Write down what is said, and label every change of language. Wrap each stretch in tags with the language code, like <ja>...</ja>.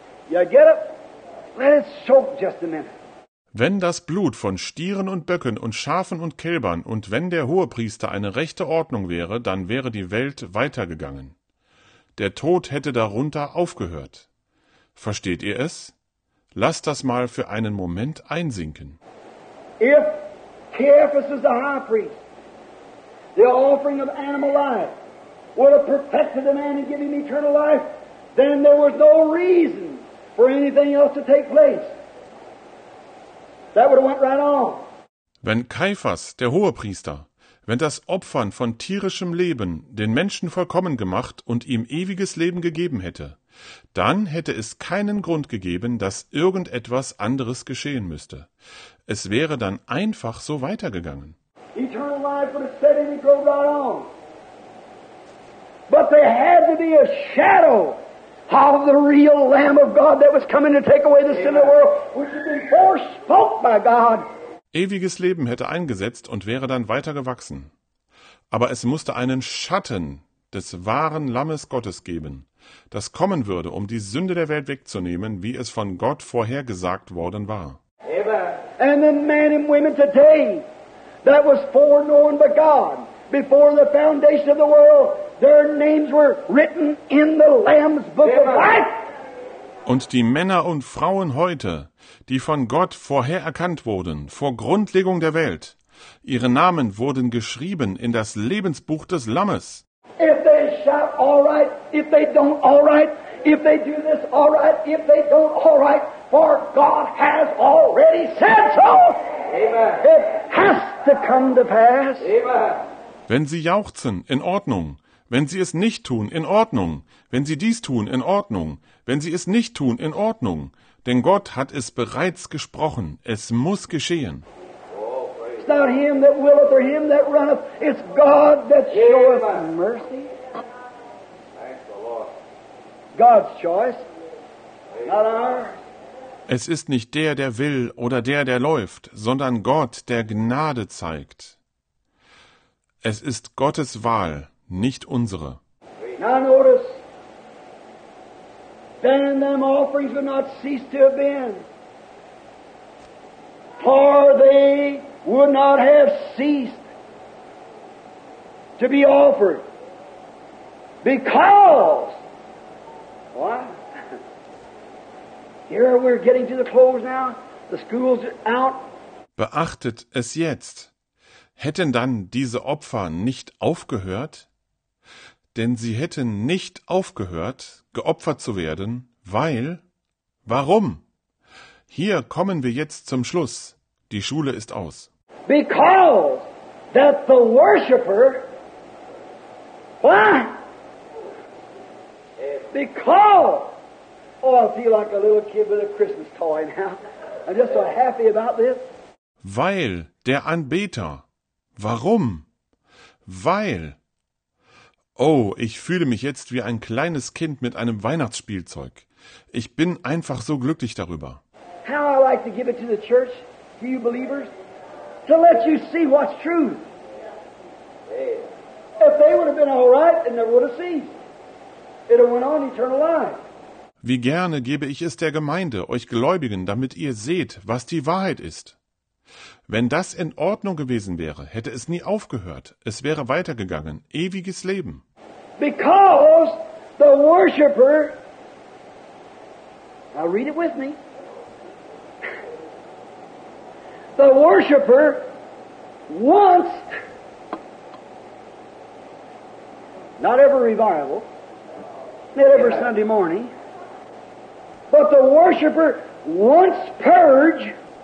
<en>You get it? Let it soak just a minute.</en> <de>Wenn das Blut von Stieren und Böcken und Schafen und Kälbern und wenn der Hohepriester eine rechte Ordnung wäre, dann wäre die Welt weitergegangen. Der Tod hätte darunter aufgehört. Versteht ihr es? Lasst das mal für einen Moment einsinken.</de> <en>If Caiaphas is the high priest, the offering of animal life would have perfected the man and given him eternal life, then there was no reason for anything else to take place. That would have went right on.</en> <de>Wenn Caiaphas, der hohe Priester, wenn das Opfern von tierischem Leben den Menschen vollkommen gemacht und ihm ewiges Leben gegeben hätte, dann hätte es keinen Grund gegeben, dass irgendetwas anderes geschehen müsste. Es wäre dann einfach so weitergegangen.</de> <en>Eternal life would have said it would go right on. But there had to be a shadow of the real Lamb of God that was coming to take away the sin of the world, which had been forespoken by God.</en> <de>Ewiges Leben hätte eingesetzt und wäre dann weitergewachsen. Aber es musste einen Schatten des wahren Lammes Gottes geben, das kommen würde, um die Sünde der Welt wegzunehmen, wie es von Gott vorhergesagt worden war.</de> <en>And the man and women today, that was foreknown by God, before the foundation of the world, their names were written in the Lamb's book of life.</en> <de>Und die Männer und Frauen heute, die von Gott vorher erkannt wurden, vor Grundlegung der Welt, ihre Namen wurden geschrieben in das Lebensbuch des Lammes.</de> <en>If they shout all right, if they don't all right, if they do this all right, if they don't all right, for God has already said so. Amen. It has to come to pass. Amen.</en> <de>Wenn sie jauchzen, in Ordnung. Wenn sie es nicht tun, in Ordnung. Wenn sie dies tun, in Ordnung. Wenn sie es nicht tun, in Ordnung. Denn Gott hat es bereits gesprochen. Es muss geschehen.</de> <en>It's not him that willeth or him that runneth. It's God that showeth mercy. God's choice. Not ours.</en> <de>Es ist nicht der, der will oder der läuft, sondern Gott, der Gnade zeigt. Es ist Gottes Wahl, nicht unsere.</de> <en>Now notice, then them offerings will not cease to have been, for they would not have ceased to be offered, because, what? Here we're getting to the close now, the school's out.</en> <de>Beachtet es jetzt. Hätten dann diese Opfer nicht aufgehört? Denn sie hätten nicht aufgehört, geopfert zu werden, weil... Warum? Hier kommen wir jetzt zum Schluss. Die Schule ist aus.</de> <en>Because that the worshiper... What? Because... Oh, I feel like a little kid with a Christmas toy now. I'm just so happy about this.</en> <de>Weil der Anbeter... Warum? Weil. Oh, ich fühle mich jetzt wie ein kleines Kind mit einem Weihnachtsspielzeug. Ich bin einfach so glücklich darüber.</de> <en>How I like to give it to the church, to you believers, to let you see what's true. If they would have been all right, it never would have ceased. It would have went on eternal life.</en> <de>Wie gerne gebe ich es der Gemeinde, euch Gläubigen, damit ihr seht, was die Wahrheit ist. Wenn das in Ordnung gewesen wäre, hätte es nie aufgehört. Es wäre weitergegangen. Ewiges Leben.</de> <en>Because the worshiper, now read it with me. The worshiper wants not every revival, not every Sunday morning, but the worshiper wants purge.</en>